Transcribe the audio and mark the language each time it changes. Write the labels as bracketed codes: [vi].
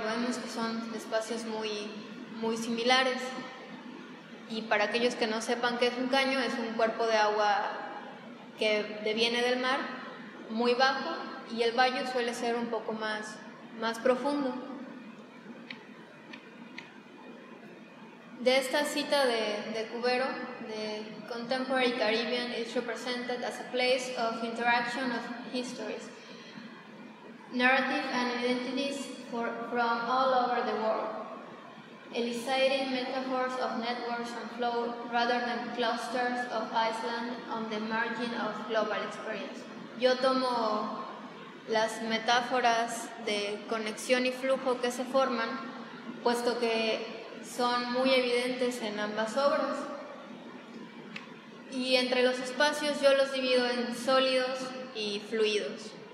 [es] Vemos que son espacios muy, muy similares. Y para aquellos que no sepan qué es un caño, es un cuerpo de agua que deviene del mar, muy bajo, y el bayou suele ser un poco más, más profundo. De esta cita de Cubero, de [en] Contemporary Caribbean is represented as a place of interaction of histories, narrative and identities from all over the world, eliciting metaphors of networks and flow rather than clusters of Iceland on the margin of global experience. [es] Yo tomo las metáforas de conexión y flujo que se forman, puesto que son muy evidentes en ambas obras. Y entre los espacios yo los divido en sólidos y fluidos.